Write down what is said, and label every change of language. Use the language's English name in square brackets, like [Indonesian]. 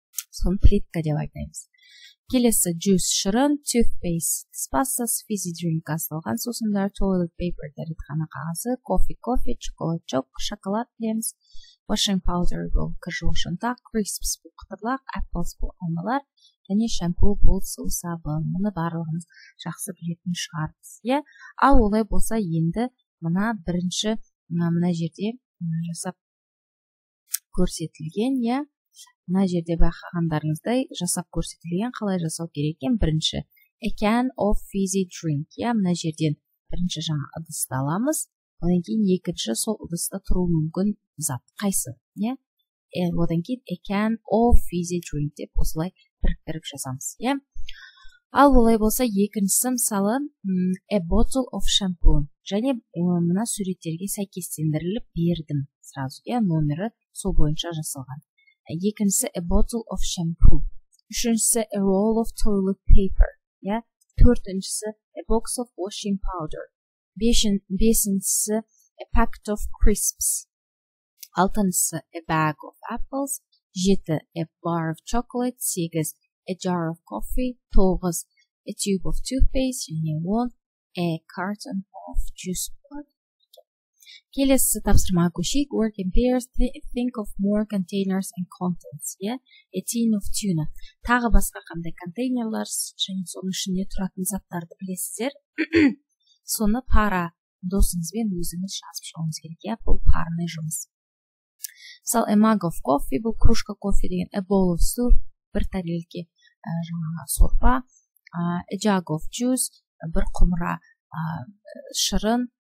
[Kazakh] Соны плитка деп айтамыз. Келесі джус шырын, toothpaste, spasas, [English] fizzy drink, [Kazakh] газдалған сусындар, [English] toilet paper, [Kazakh] дәретхана қағазы, coffee, [English] chocolate chip, [Kazakh] шоколад дейміз, [English] washing powder, [Kazakh] бұл кір шынтақ, crisps, бұл қытырлақ, apples, бұл алмалар, және шампу, бұл сусабын. Мұны барлығымыз жақсы білетін шығарыз. Ал олай болса, енді мына бірінші, мына жерде жасап көрсетілген, мына жерде байқағандарыңыздай жасап көрсетілген қалай жасау керек екен. Бірінші, [English] a can of fizzy drink. [Kazakh] Мына жерден бірінші жаңа ыдысты аламыз, одан кейін екінші сол ыдыста тұруы мүмкін зат қайсы. Одан кейін [English] a can of fizzy drink [Kazakh] деп осылай біріктіріп жазамыз. Ал олай болса, екіншісі мысалы [English] a bottle of shampoo. [Kazakh] Және мына суреттерге сәйкестендіріліп бердім сразу, номері сол бойынша жасалған. Екіншісі [English] a bottle of shampoo. [Kazakh] Үшіншісі [English] a roll of toilet paper. [Kazakh] Төртіншісі [English] a box of washing powder. [Kazakh] Бесіншісі [English] a packet of crisps. [Kazakh] Алтыншысы [English] a bag of apples. [Kazakh] Жеті [English] a bar of chocolate. [Kazakh] Сегіз [English] a jar of coffee. [Kazakh] Тоғыз [English] a tube of toothpaste. [Kazakh] Және он [English] a carton of juice. [Kazakh] Келесі тапсырма көшейік. [English] Work in pairs, think of more containers and contents. A tin of tuna. [Kazakh] Тағы басқа қандай контейнерлер, және соның ішінде тұратын заттарды білесіздер. Соны пара досыңызбен өзіңіз жазып шығуыңыз керек. Бұл параны жұмыс. Мысал, [English] a mug of coffee, [Kazakh] бұл кружка кофе деген. [English] A bowl of soup, [Kazakh] бір тарелке жаңа сорпа. [English] A jug of juice, [Kazakh] бір құмыра шырын.